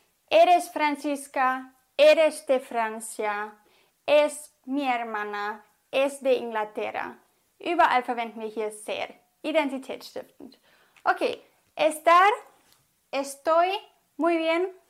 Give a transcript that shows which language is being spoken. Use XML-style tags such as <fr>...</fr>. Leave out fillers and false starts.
<es>Eres Francisca, eres de Francia, es mi hermana, es de Inglaterra.</es> <de>Überall verwenden wir hier ser, identitätsstiftend.</de> <es>Okay, estar, estoy, muy bien.</es>